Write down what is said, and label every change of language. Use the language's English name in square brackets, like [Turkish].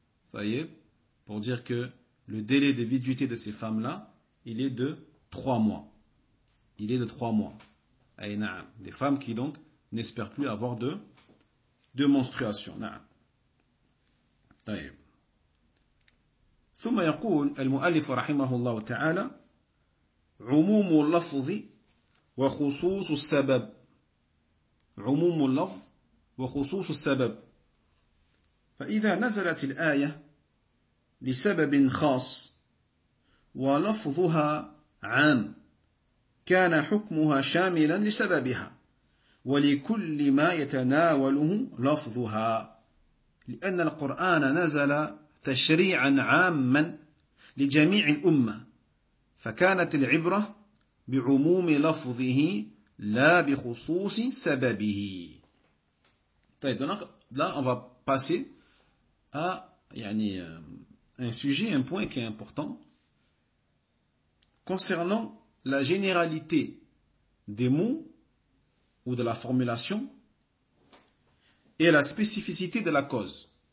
[French] Ça y est, pour dire que le délai de viduité de ces femmes-là, il est de 3 mois. Il est de 3 mois. Des femmes qui donc n'espèrent plus avoir de menstruation. [Arabic] ثم يقول المؤلف رحمه الله تعالى عموم اللفظ وخصوص السبب عموم اللفظ وخصوص السبب فإذا نزلت الآية لسبب خاص ولفظها عام كان حكمها شاملا لسببها ولكل ما يتناوله لفظها لأن القرآن نزل تشريعا عاما لجميع الأمة فكانت العبرة بعموم لفظه لا بخصوص سببه. [French] طيب donc là on va passer à un sujet, un point qui est important concernant la généralité des mots ou de la formulation et la spécificité de la cause.